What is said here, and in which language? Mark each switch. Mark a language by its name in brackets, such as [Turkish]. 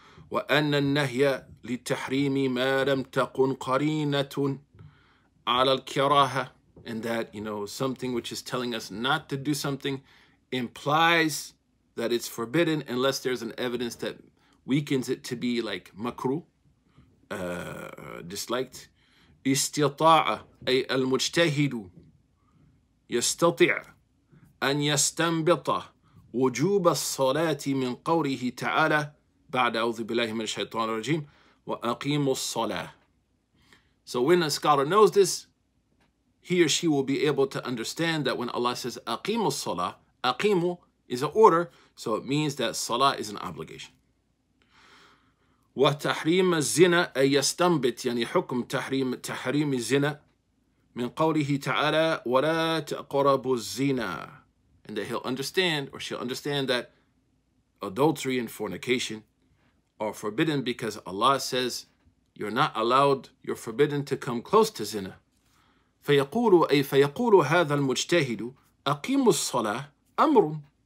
[Arabic] وَأَنَّ النَّهْيَ لِلتَّحْرِيمِ مَا لَمْ تَقُنْ قَرِينَةٌ عَلَى الْكِرَاهَةِ. [English] And that, you know, something which is telling us not to do something implies that it's forbidden unless there's an evidence that weakens it to be like makruh, disliked. [Arabic] إِسْتِطَاعَ أي الْمُجْتَهِدُ يَسْتَطِعَ أن يستنبط وجوب الصلاة من قوله تعالى بعد أعوذ بالله من الشيطان الرجيم وأقيم الصلاة. [English] So when a scholar knows this, he or she will be able to understand that when Allah says [Arabic] أقيم الصلاة, [English] أقيم is an order, so it means that صلاة is an obligation. [Arabic] وتحريم الزنا أي يستنبط يعني حكم تحريم الزنا من قوله تعالى ولا تقربوا الزنا. [English] And that he'll understand, or she'll understand, that adultery and fornication are forbidden because Allah says, you're not allowed, you're forbidden to come close to zina. [Arabic] فَيَقُولُ أَيْ فَيَقُولُ هَذَا الْمُجْتَهِدُ أَقِيمُ الصَّلَاةِ أَمْرٌ.